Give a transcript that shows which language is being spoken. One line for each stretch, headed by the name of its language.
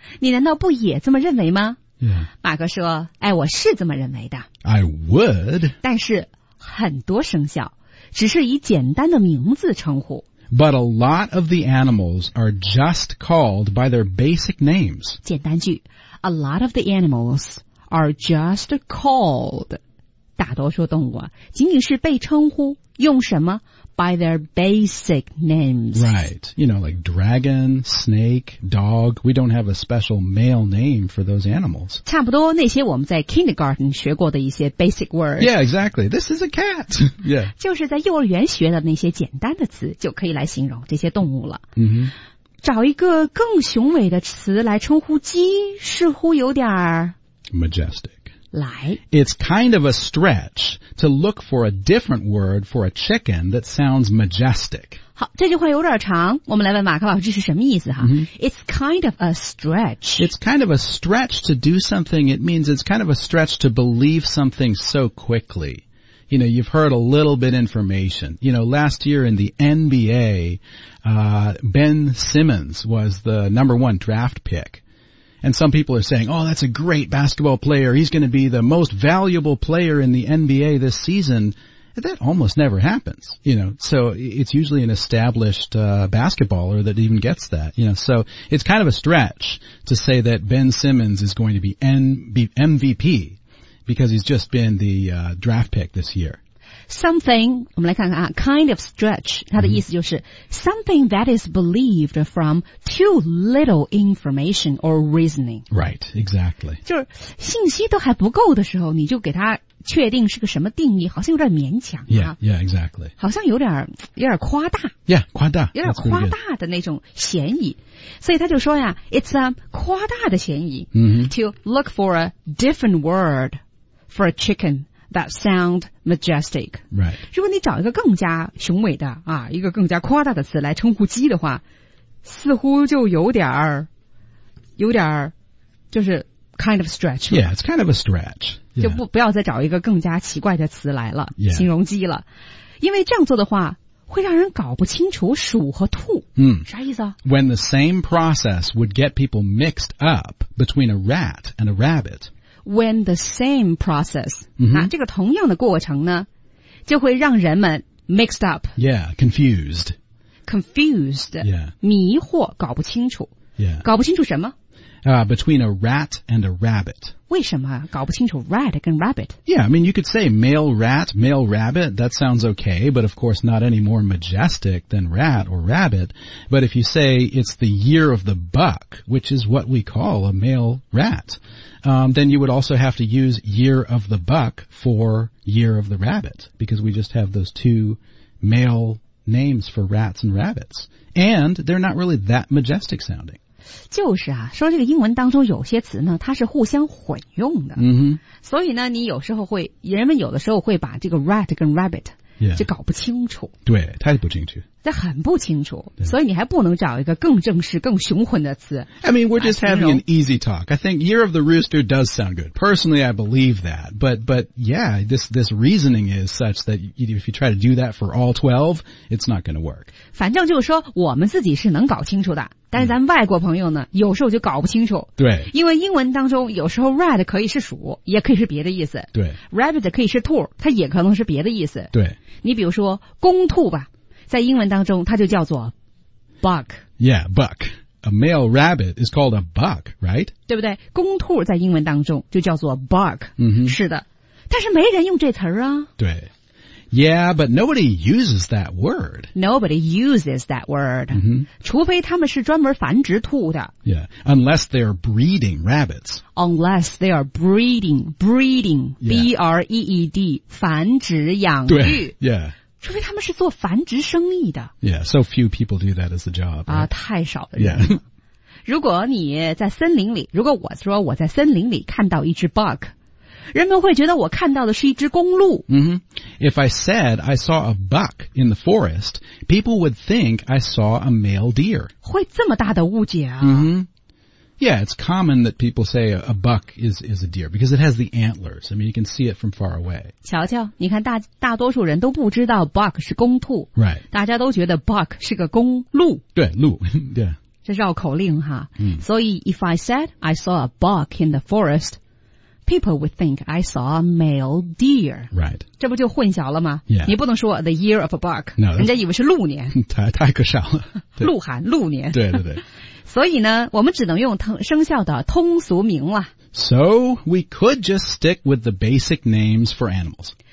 Chinese: 你难道不也这么认为吗
English: Yeah.
Chinese: 马哥说哎我是这么认为的。
English: I would.
Chinese: 但是很多生肖只是以简单的名字称呼。
English: But a lot of the animals are just called by their basic names.
Chinese: 简单句 ,
English: a lot of the animals are just called.
Chinese: 大多数动物仅仅是被称呼用什么
English: by their basic names. Right. You know, like dragon, snake, dog. We don't have a special male name for those animals.
Chinese: 差不多那些我们在 kindergarten 学过的一些
English: basic words. Yeah, exactly. This is a cat. Yeah.
Chinese: 就是在幼儿园学的那些简单的词就可以来形容这些动物了。嗯、mm-hmm. 找一个更雄伟的词来称呼鸡似乎有点儿
English: majestic.
Chinese: 来
English: It's kind of a stretch to look for a different word for a chicken that sounds majestic.
Chinese: 好这句话有点长我们来问马克老师是什么意思哈、 mm-hmm.
English: It's kind of a stretch. It's kind of a stretch to do something. It means it's kind of a stretch to believe something so quickly. You know, you've heard a little bit information. You know, last year in the NBA, Ben Simmons was the number one draft pick. And some people are saying, oh, that's a great basketball player. He's going to be the most valuable player in the NBA this season. That almost never happens, you know. So it's usually an established, basketballer that even gets that, you know. So it's kind of a stretch to say that Ben Simmons is going to be MVP. Because he's just been the, draft pick this year.
Chinese: Something, 我们来看看啊
English: kind of stretch,
Chinese: 它的意思就是、mm-hmm.
English: something that is believed from too little information or reasoning. Right, exactly.
Chinese: 就是信息都还不够的时候你就给它确定是个什么定义好像有点勉强、啊。
English: Yeah, yeah, exactly.
Chinese: 好像有点夸大。 Yeah, 夸大。有点夸大的那种嫌疑。所以他就说呀
English: it's a
Chinese: 夸大的嫌疑、 mm-hmm.
English: to look for a different word. For a chicken that sound majestic. Right.
Chinese: 如果你找一个更加雄伟的啊，一个更加夸大的词来称呼鸡的话，似乎就有点儿，就是
English: kind of stretch. Yeah, it's kind of a stretch.、Yeah.
Chinese: 就不要再找一个更加奇怪的词来了、
English: yeah.
Chinese: 形容鸡了，因为这样做的话会让人搞不清楚鼠和兔。嗯，啥意思啊
English: ？When the same process would get people mixed up between a rat and a rabbit. When the same process,、 mm-hmm.
Chinese: 那这个同样的过程呢就会让人们
English: mixed up. Yeah, confused. Confused. Yeah.
Chinese: 迷惑搞不清楚。
English: Yeah.
Chinese: 搞不清楚什么、
English: Between a rat and a rabbit.
Chinese: 为什么搞不清楚 rat 跟 rabbit?
English: Yeah, I mean, you could say male rat, male rabbit, that sounds okay, but of course not any more majestic than rat or rabbit. But if you say it's the year of the buck, which is what we call a male rat,then you would also have to use year of the buck for year of the rabbit, because we just have those two male names for rats and rabbits. And they're not really that majestic sounding.
Chinese: 就是啊说这个英文当中有些词呢它是互相混用的。 Mm-hmm. 所以呢你有时候会人们有的时候会把这个 rat 跟 rabbit、
English: yeah.
Chinese: 就搞不清楚。对太不清楚。这很不清楚、yeah. 所以你还不能找一个更正式更雄浑的词
English: I mean we're just having an easy talk I think year of the rooster does sound good personally I believe that but yeah this reasoning is such that if you try to do that for all 12 it's not going to work
Chinese: 反正就是说我们自己是能搞清楚的但是咱们外国朋友呢有时候就搞不清楚对因为英文当中有时候 rat 可以是鼠也可以是别的意思对 rabbit 可以是兔它也可能是别的意思对你比如说公兔吧在英文当中它就叫做 buck.
English: Yeah, buck. A male rabbit is called a buck, right?
Chinese: 对不对公兔在英文当中就叫做 buck.、 Mm-hmm. 是的。但是没人用这词儿啊。
English: 对。Yeah, but nobody uses that word. Nobody uses that word.、 Mm-hmm.
Chinese: 除非他们是专门繁殖兔的。
English: Yeah, unless they're breeding rabbits. Unless they are breeding,、 yeah.
Chinese: B-R-E-E-D, 繁殖养育。对 yeah. 除非他们是做繁殖生意的。
English: Yeah, so few people do that as a job.、Right?
Chinese: 啊太少的人了。Yeah. 如果你在森林里如果我说我在森林里看到一只 buck, 人们会觉得我看到的是一只公鹿。 Mm-hmm.
English: If I said I saw a buck in the forest, people would think I saw a male deer.
Chinese: 会这么大的误解啊。 Mm-hmm.
English: Yeah, it's common that people say a buck is a deer because it has the antlers. I mean, you can see it from far away.
Chinese: 瞧瞧，你看大多数人都不知道 buck 是公兔。
English: Right.
Chinese: 大家都觉得 buck 是个公鹿。对，鹿，对。这绕口令哈。嗯。所以
English: if I said I saw a buck in the forest, people would think I saw a male deer. Right.
Chinese: 这不就混淆了吗
English: ？Yeah.
Chinese: 你不能说
English: the year of a buck. No.
Chinese: 人家以为是鹿年。太可笑了。鹿寒，鹿年。对对对。所以呢我们只能用生肖的通俗名了。
English: So, we could just stick with the basic names for animals.